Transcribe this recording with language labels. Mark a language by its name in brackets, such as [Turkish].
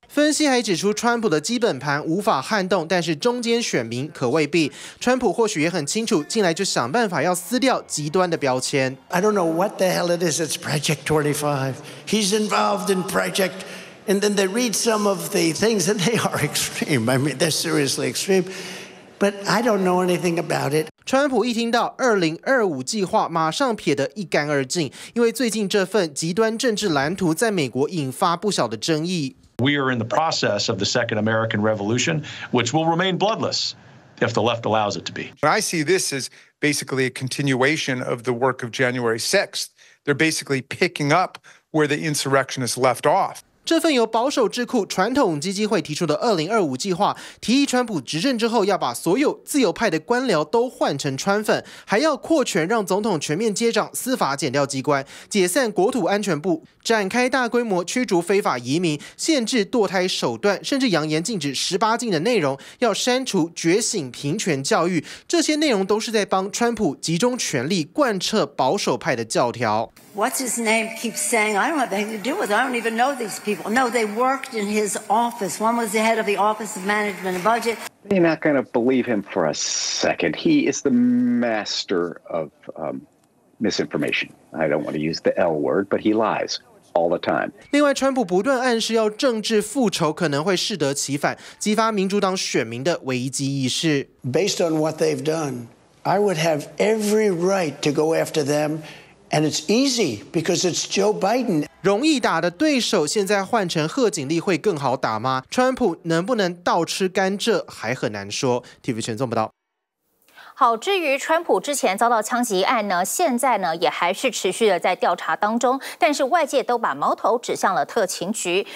[Chinese] 分析还指出，川普的基本盘无法撼动，但是中间选民可未必。川普或许也很清楚，进来就想办法要撕掉极端的标签。 [English] I don't know what the hell it is. It's Project 25. He's involved in Project, and then they read some of the things, and they are extreme. I mean, they're seriously extreme. But I don't know anything about it. [Chinese] 川普一听到2025计划，马上撇得一干二净，因为最近这份极端政治蓝图在美国引发不小的争议。 [English] We are in the process of the second American Revolution, which will remain bloodless if the left allows it to be. I see this as basically a continuation of the work of January 6th. They're basically picking up where the insurrectionists left off. [Chinese] 这份由保守智库传统基金会提出的2025计划，提议川普执政之后要把所有自由派的官僚都换成川粉，还要扩权让总统全面接掌司法减掉机关，解散国土安全部，展开大规模驱逐非法移民，限制堕胎手段，甚至扬言禁止18禁的内容，要删除觉醒平权教育，这些内容都是在帮川普集中权力贯彻保守派的教条。 [English] What's his name keeps saying? I don't have anything to do with it. I don't even know these people. No, they worked in his office. One was the head of the Office of Management and Budget. You're not going to believe him for a second. He is the master of misinformation. I don't want to use the L word, but he lies. All the time. [Chinese] 另外，川普不断暗示要政治复仇，可能会适得其反，激发民主党选民的危机意识。 [English] Based on what they've done, I would have every right to go after them, and it's easy because it's Joe Biden. [Chinese] 容易打的对手，现在换成贺锦丽会更好打吗？川普能不能倒吃甘蔗，还很难说。 TV 全做不到。好，至于川普之前遭到枪击案呢，现在呢也还是持续的在调查当中，但是外界都把矛头指向了特勤局。